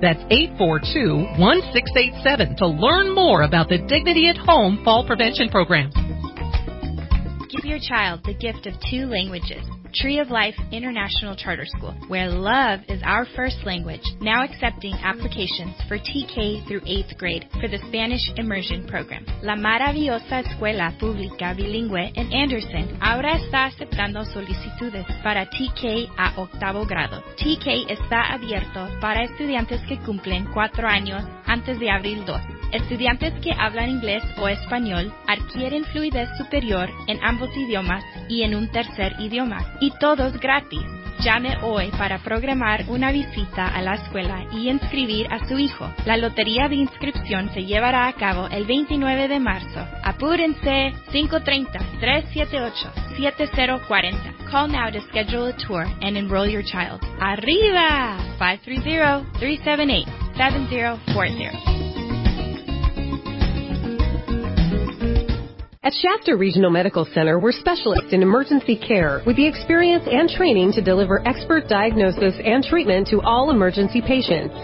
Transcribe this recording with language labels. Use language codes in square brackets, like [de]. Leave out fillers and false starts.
[en] That's 842-1687 to learn more about the Dignity at Home Fall Prevention Program. Give your child the gift of two languages. Tree of Life International Charter School, where love is our first language, now accepting applications for TK through 8th grade for the Spanish Immersion Program. [es] La Maravillosa Escuela Pública Bilingüe in Anderson ahora está aceptando solicitudes para TK a octavo grado. TK está abierto para estudiantes que cumplen 4 años antes de abril 2. Estudiantes que hablan inglés o español adquieren fluidez superior en ambos idiomas y en un tercer idioma. Y todos gratis. Llame hoy para programar una visita a la escuela y inscribir a su hijo. La lotería de inscripción se llevará a cabo el 29 de marzo. Apúrense. 530-378-7040. [en] Call now to schedule a tour and enroll your child. [es] ¡Arriba! 530-378-7040. [en] At Shasta Regional Medical Center, we're specialists in emergency care with the experience and training to deliver expert diagnosis and treatment to all emergency patients.